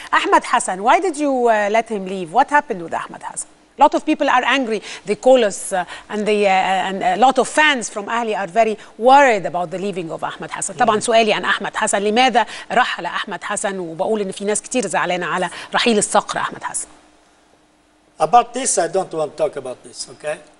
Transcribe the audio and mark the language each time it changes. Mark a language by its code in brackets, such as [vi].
[en] Ahmed Hassan, why did you let him leave? What happened with Ahmed Hassan? A lot of people are angry. They call us and a lot of fans from Ahli are very worried about the leaving of Ahmed Hassan. [ar] طبعا سؤالي عن أحمد حسن، لماذا رحل أحمد حسن؟ وبقول إن في ناس كتير زعلانة على رحيل الصقر أحمد حسن. [en] About this, I don't want to talk about this, okay?